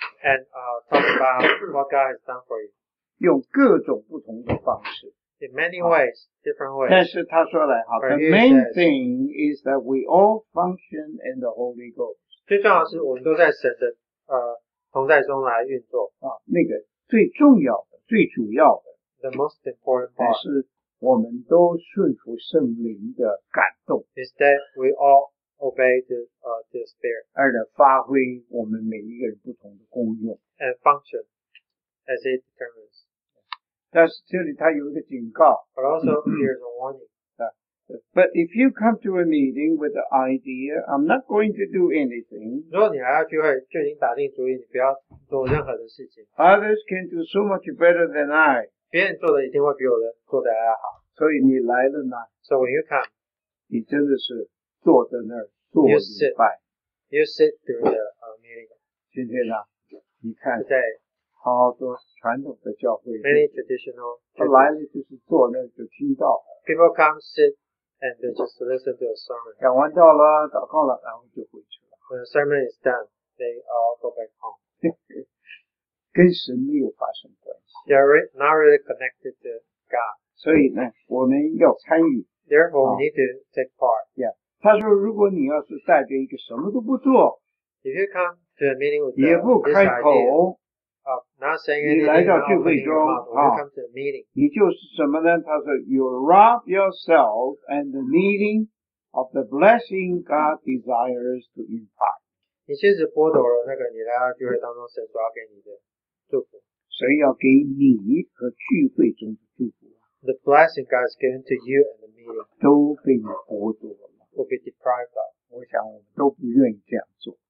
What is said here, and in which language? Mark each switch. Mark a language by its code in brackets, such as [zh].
[en] And, talk about what God has done for you. [zh] 用各种不同的方式。 [en] In many ways, different ways. [zh] 但是他说来好 [en] the main thing is that we all function in the Holy Ghost. [zh] 最重要的是我们都在神的同在中来运作。那个最重要的最主要的。 [en] The most important part. [zh] 但是我们都顺服圣灵的感动。 [en] Is that we all obey the Spirit. [zh] 而呢发挥我们每一个人不同的功用。 [en] And function as it determines. [zh] 但是这里他有一个警告。 [en] But also here's a warning. But if you come to a meeting with the idea, I'm not going to do anything. [zh] 如果你还要聚会就已经打定主意你不要做任何的事情。 [en] Others can do so much better than I. [zh] 别人做的一定会比我的做的还好。所以你来了呢。 [en] So when you come, [zh] 你真的是坐在那儿坐礼拜。 [en] You sit through the meeting. [zh] 今天呢你看在好多传统的教会。 [en] Many traditional. [zh] 他来了就是坐那儿就听到。 [en] People come, sit, and just listen to a sermon. [zh] 讲完道了祷告了然后就回去了。 [en] When the sermon is done, they all go back home. [zh] 跟神没有发生关系。 [en] They're not really connected to God. [zh] 所以呢我们要参与。 [en] Therefore, we need to take part. Yeah. [zh] 他说如果你要是带着一个什么都不做。 [en] If you come to a meeting with [zh] the, 也不开口。 [en] Of not saying anything, [zh] 你来到聚会中 [en] 啊。Come to a meeting. [zh] 你就是什么呢他说 [en] you rob yourself and the meeting of the blessing God desires to impart. [zh] 你其实剥夺了那个你来到聚会当中神抓给你的祝福。神要给你和聚会中的祝福 [en] The blessing God has given to you and the meeting [zh] 都被你剥夺了 [en] will be deprived of [zh] 我想我们都不愿意这样做